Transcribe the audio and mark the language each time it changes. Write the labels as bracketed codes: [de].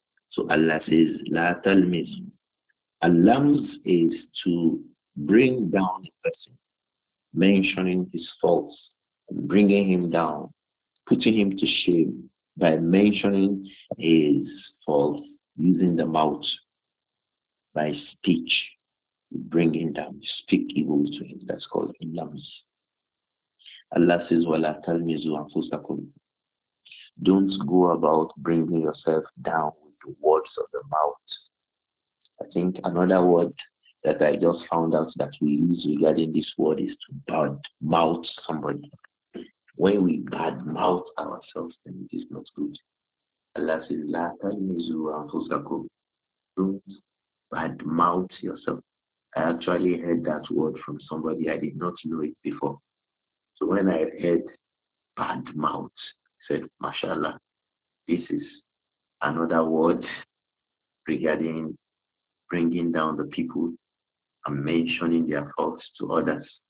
[en] So Allah says, [ar] لَا تَلْمِزُوا. [en] Al-lams is to bring down a person, mentioning his faults, bringing him down, putting him to shame by mentioning his faults, using the mouth, by speech, bring him down, speak evil to him. That's called lams. Allah says, [ar] وَلَا تَلْمِزُوا أَنفُسَكُمْ. [en] Don't go about bringing yourself down with the words of the mouth. I think another word that I just found out that we use regarding this word is to bad mouth somebody. When we bad mouth ourselves, then it is not good. Allah says, [ar] لَا تَلْمِزُوا أَنفُسَكُمْ. [en] Don't bad mouth yourself. I actually heard that word from somebody. I did not know it before. So when I heard bad mouth, I said, mashallah, this is another word regarding bringing down the people and mentioning their faults to others.